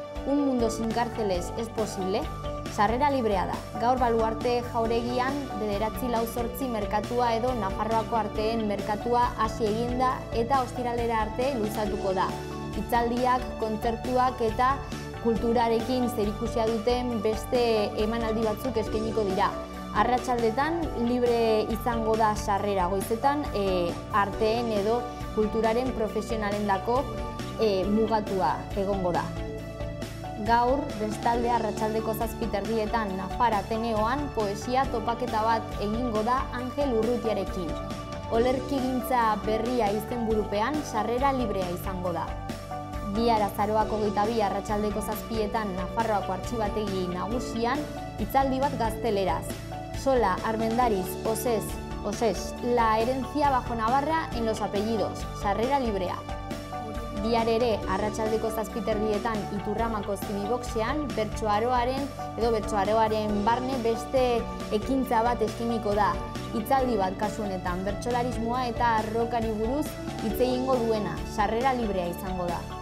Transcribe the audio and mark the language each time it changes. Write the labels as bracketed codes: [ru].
[es] Un mundo sin cárceles es posible. [eu] Sarrera librea da. Gaur Baluarte Jauregian 9:48 merkatua edo Nafarroako arteen merkatua hasi eginda eta ostiralera arte luzatuko da. Hitzaldiak, kontzertuak eta kulturarekin zerikusia duten beste emanaldi batzuk eskainiko dira. Arratsaldetan libre izango da sarrera, goizetan arteen edo kulturaren profesionalendako mugatua egongo da. Gaur, bestalde arratsaldeko 7:30etan Nafar Ateneoan poesia topaketa bat egingo da Angel Urrutiarekin. Olerkigintza berria izenburupean sarrera librea izango da. Bihar azaroak 22 arratsaldeko 7:00etan Nafarroako artxibategi nagusian hitzaldi bat gazteleraz. [es] Sola Armendariz, Osez, La herencia bajo Navarra en los apellidos, [eu] sarrera librea. Bihar ere arratsaldeko 7:30etan Iturramako Zibiboxean bertsoaroaren barne beste ekintza bat eskainiko da. Hitzaldi bat kasu honetan bertsolarismoa eta arrokari buruz hitz egingo duena, sarrera librea izango da.